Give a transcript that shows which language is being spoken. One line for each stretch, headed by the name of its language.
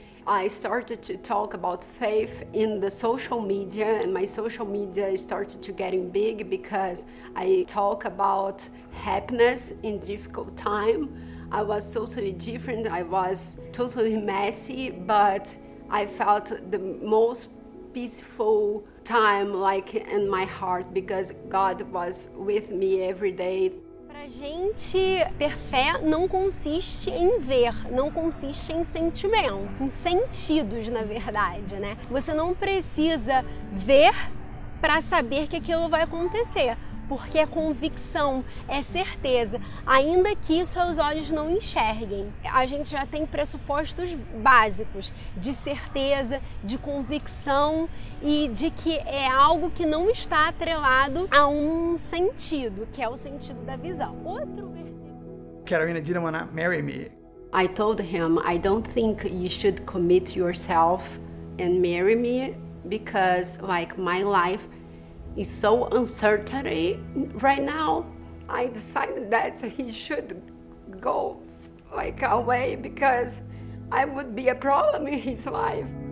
English: I started to talk about faith in the social media, and my social media started to getting big because I talk about happiness in difficult time. I was totally different. I was totally messy, but I felt the most peaceful time, like in my heart, because God was with me every day.
Portuguese: Pra gente ter fé não consiste em ver, não consiste em sentimento, em sentidos, na verdade, né? Você não precisa ver para saber que aquilo vai acontecer, porque é convicção, é certeza, ainda que seus olhos não enxerguem. A gente já tem pressupostos básicos de certeza, de convicção e de que é algo que não está atrelado a um sentido, que é o sentido da visão. Outro versículo.
English: Carolina didn't want to marry me. I told him, I don't think you should commit yourself and marry me because, like, my life is so uncertain right now. I decided that he should go, like, away because I would be a problem in his life.